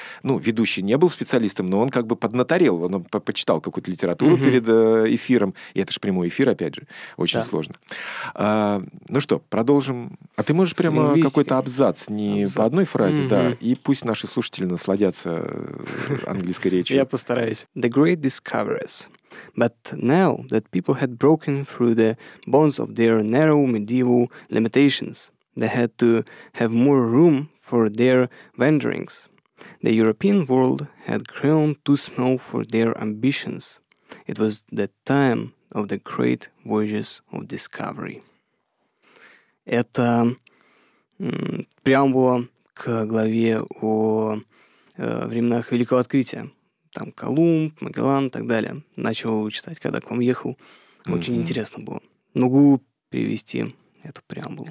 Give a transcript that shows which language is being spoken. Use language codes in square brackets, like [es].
[ru] Ну, ведущий не был специалистом, но он как бы поднаторел. Он почитал какую-то литературу перед эфиром. И это же прямой эфир, опять же. Очень сложно. Ну что, продолжим. А ты можешь прямо какой-то абзац, по одной фразе, да? И пусть наши слушатели насладятся английской речью. Я постараюсь. [en] «The great discoveries». But now that people had broken through the bonds of their narrow medieval limitations, they had to have more room for their wanderings. The European world had grown too small for their ambitions. It was the time of the great voyages of discovery. [ru] Это преамбула к главе о временах Великого Открытия. Там Колумб, Магеллан и так далее. Начал читать, когда к вам ехал. Очень интересно было. Могу перевести эту преамбулу.